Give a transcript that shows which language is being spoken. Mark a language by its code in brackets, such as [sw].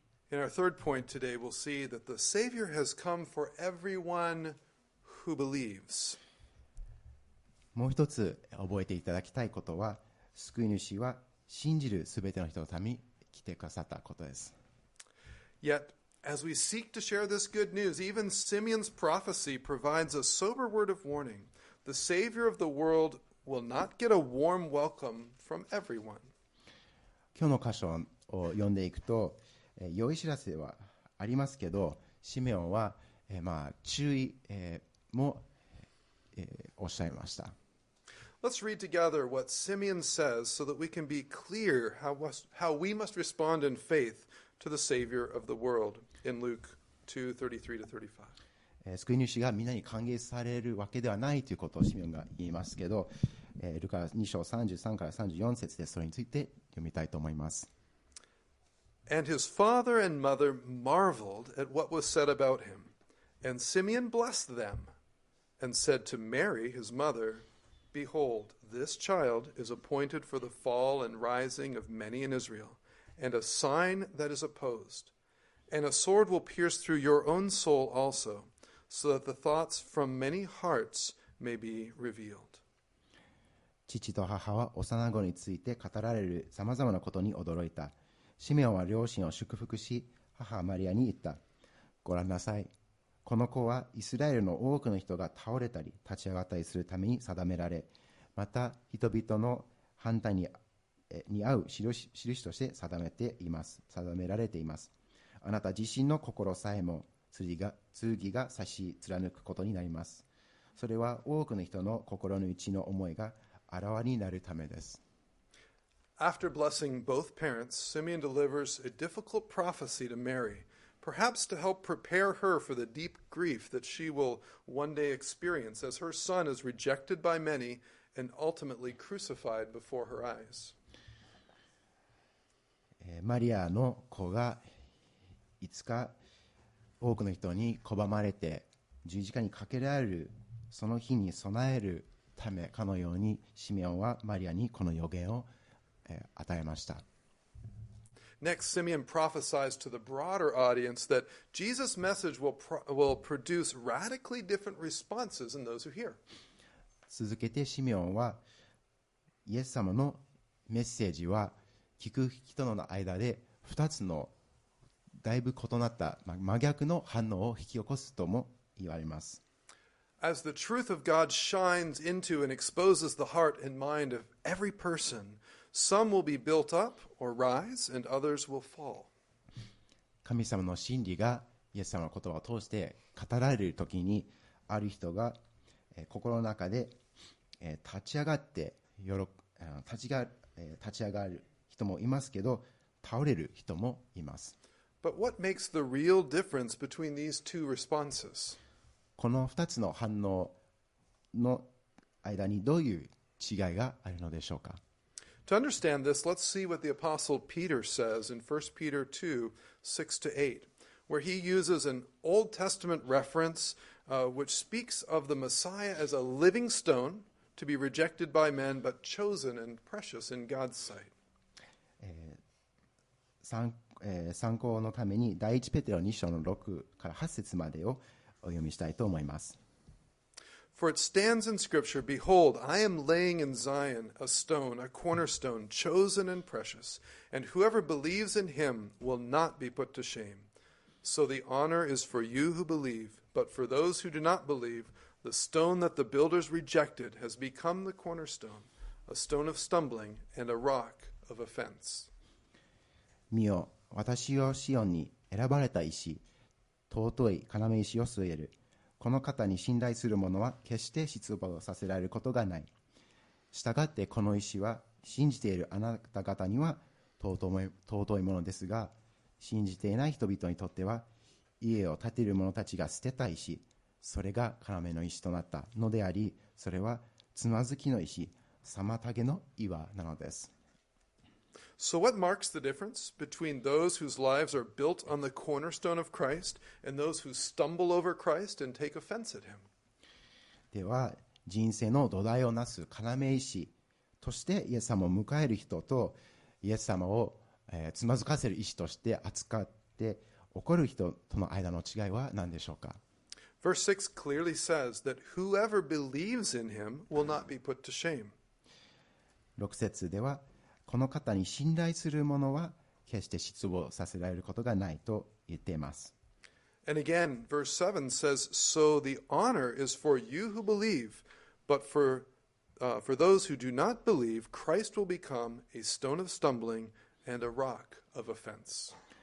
[en] In our third point today, we'll see that the Savior has come for everyone. Who believes. [ja] もう一つ覚えていただきたいことは、救い主は信じるすべての人のために来てくださったことです。 [en] Yet, as we seek to share this good news, even Simeon's prophecy provides a sober word of warning. The Savior of the world will not get a warm welcome from everyone. [ja] 今日の箇所を読んでいくと、良い知らせはありますけど、シメオンは、注意、もおっしゃいました。 [en] Let's read together what Simeon says so that we can be clear how we must respond in faith to the Savior of the world in Luke 2:33-35. [ja] 救い主がみんなに歓迎されるわけではないということをシメオンが言いますけど、ルカ2章33から34節でそれについて読みたいと思います。 [en] And his father and mother marveled at what was said about him. And Simeon blessed them and said to Mary, his mother, Behold, this child is appointed for the fall and rising of many in Israel, and a sign that is opposed. And a sword will pierce through your own soul also, so that the thoughts from many hearts may be revealed. [ja] 父と母は幼子について語られるさまざまなことに驚いた。シメオンは両親を祝福し、母マリアに言った。ご覧なさい。この子はイスラエルの多くの人が倒れたり立ち上がったりするために定められ、また人々の反対に合う印として定められています。あなた自身の心さえも剣が差し貫くことになります。それは多くの人の心の内の思いがあらわになるためです。 [en] After blessing both parents, Simeon delivers a difficult prophecy to Mary. Perhaps to help prepare her for the deep grief that she will one day experience as her son is rejected by many and ultimately crucified before her eyes. [ja] マリアの子がいつか多くの人に拒まれて十字架にかけられるその日に備えるためかのようにシメオンはマリアにこの予言を与えました。 [en] Next, Simeon prophesies to the broader audience that Jesus' message will produce radically different responses in those who hear. [ja] 続けてシメオンはイエス様のメッセージは聞く人の間で二つのだいぶ異なった真逆の反応を引き起こすとも言われます。 [en] As the truth of God shines into and exposes the heart and mind of every person,Some will be built up or rise, and others will fall. [ja] 神様の真理がイエス様の言葉を通して語られるときに、ある人が心の中で立ち上がって立ち上がる人もいますけど、倒れる人もいます。 [en] But what makes the real difference between these two responses? [ja] この2つの反応の間にどういう違いがあるのでしょうか? [en] To understand this, let's see what the Apostle Peter says in 1 Peter 2:6-8, where he uses an Old Testament reference, which speaks of the Messiah as a living stone to be rejected by men, but chosen and precious in God's sight. [ja] 参考のために第一ペテロ2章の6から8節までをお読みしたいと思います。 [en] For it stands in Scripture, Behold, I am laying in Zion a stone, a cornerstone, chosen and precious, and whoever believes in him will not be put to shame. So the honor is for you who believe, but for those who do not believe, the stone that the builders rejected has become the cornerstone, a stone of stumbling and a rock of offense. [ja] 見よ、私をシオンに選ばれた石、尊い要石を据える。この方に信頼する者は決して失望させられることがない。したがってこの石は信じているあなた方には尊いものですが、信じていない人々にとっては家を建てる者たちが捨てた石、それが要の石となったのであり、それはつまずきの石、妨げの岩なのです。 [en] So what marks the difference between those whose lives are built on the cornerstone of Christ and those who stumble over Christ and take offense at him? [ja] では、人生の土台をなす要石としてイエス様を迎える人と、イエス様を、つまずかせる石として扱って怒る人との間の違いは何でしょうか? [en] Verse 6 clearly says that whoever believes in him will not be put to shame. [ja] 6節では、この方に信頼する者は決して失望させられることがないと言っています。 [en] And again, verse 7 says, So the honor is for you who believe, but for those who do not believe, Christ will become a stone of stumbling and a rock of offense.